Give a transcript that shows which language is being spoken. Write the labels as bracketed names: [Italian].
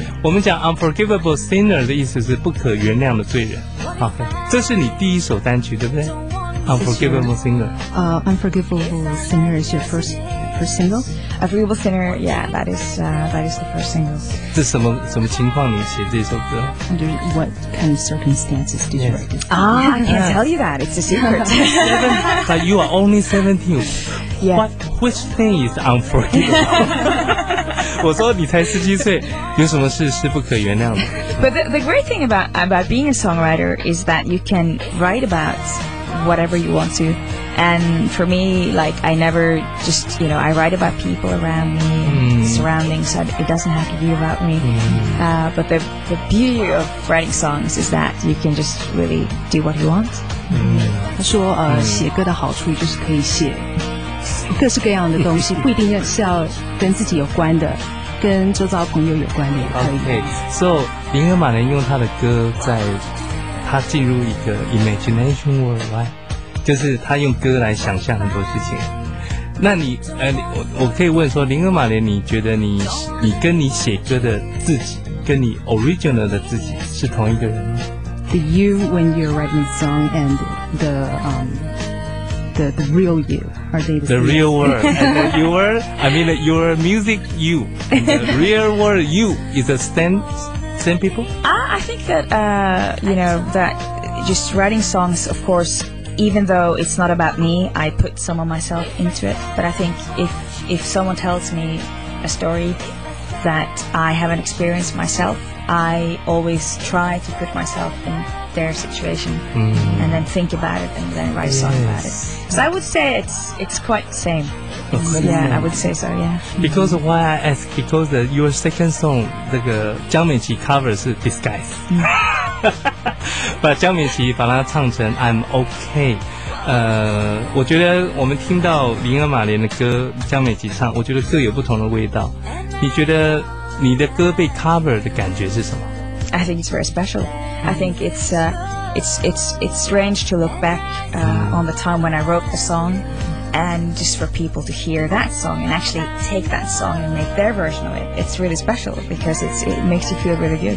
[Chinese] 我们讲 Unforgivable Sinner 的意思是不可原谅的罪人。好，这是你第一首单曲，对不对？ [English] Unforgivable Sinner。 Unforgivable Sinner is your first single。 Unforgivable Sinner， yeah， that is the first single。 [Chinese] 是什么情况你写这首歌？ [English] Under what kind of circumstances did you write this? Ah, I can't tell you that. It's a secret. But you are only 17. Yeah. Which thing is unforgivable? [Chinese] 我说你才17岁，有什么事是不可原谅的？ [English] But the great thing about being a songwriter is that you can write about whatever you want to. And for me, like, I never just, you know, I write about people around me. Surroundings, so it doesn't have to be about me. But the beauty of writing songs is that you can just really do what you want. [Chinese] 他说，写歌的好处就是可以写各式各样的东西，不一定是要跟自己有关的，跟周遭朋友有关的也可以。 [English] Okay， so [Chinese] 林恩玛莲用他的歌在他进入一个 [English] imagination world， right？ [Chinese] 就是他用歌来想象很多事情。那你我可以问说，林恩玛莲，你觉得你跟你写歌的自己，跟你 original 的自己是同一个人吗？ [English] The you when you're writing a song and the real you, are they the real world? Your music you, the real world you is the same people? I think that that just writing songs, of course. Even though it's not about me, I put some of myself into it. But I think if someone tells me a story that I haven't experienced myself, I always try to put myself in their situation and then think about it and then write a song about it. So I would say it's quite the same. Yeah, I would say so, yeah. Because why I ask, because your second song, 这个江美琪 cover 是 Disguise. [Chinese] 把江美琪把它唱成 I'm OK， 我觉得我们听到林恩玛莲的歌，江美琪唱，我觉得各有不同的味道。你觉得你的歌被 cover 的感觉是什么？ [English] I think it's very special. I think it's strange to look back on the time when I wrote the song, and just for people to hear that song and actually take that song and make their version of it. It's really special because it makes you feel really good.